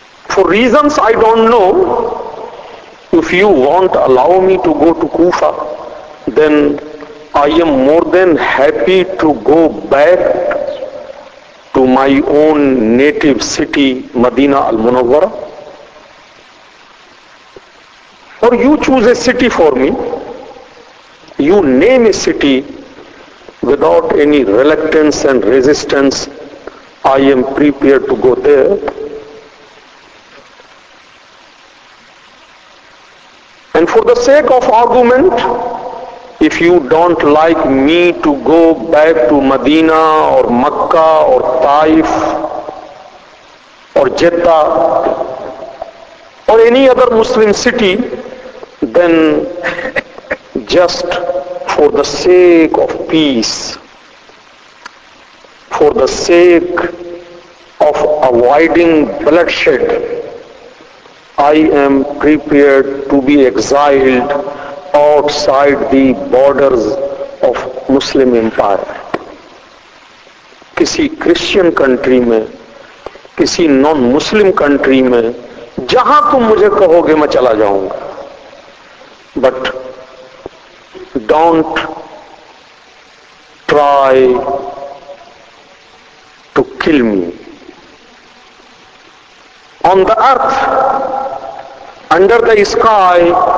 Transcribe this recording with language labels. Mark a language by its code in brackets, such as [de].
[en] For reasons I don't know, if you won't allow me to go to Kufa, then I am more than happy to go back to my own native city, Medina Al-Munawwara. Or you choose a city for me, you name a city without any reluctance and resistance, I am prepared to go there. And for the sake of argument, if you don't like me to go back to Medina or Makkah or Taif or Jeddah or any other Muslim city, then just for the sake of peace, for the sake of avoiding bloodshed, I am prepared to be exiled outside the borders of Muslim Empire. [hi] किसी Christian country में, किसी non Muslim country में, जहां तुम मुझे कहोगे मैं चला जाऊंगा, [en] But don't try to kill me on the earth under the sky.